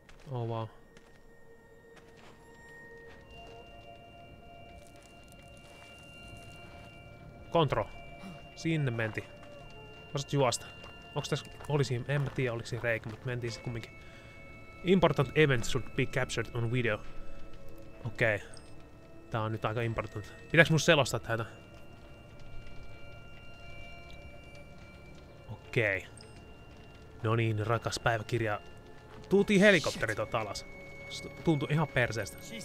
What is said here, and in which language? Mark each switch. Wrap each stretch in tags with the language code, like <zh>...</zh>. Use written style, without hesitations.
<fi>Oh wow. Kontro. Sinne menti. Osaat juosta. Onks tässä olisi, en mä tiedä oliks siinä reikä, mutta mentiin se kumminkin.</fi> <en>Important event should be captured on video.</en> <fi>Okei. Okay. Tää on nyt aika important. Pitääks mun selostaa tätä? Okei. Okay. No niin, rakas päiväkirja. Tultiin helikopteri tuota alas. Tuntui ihan perseestä.</fi>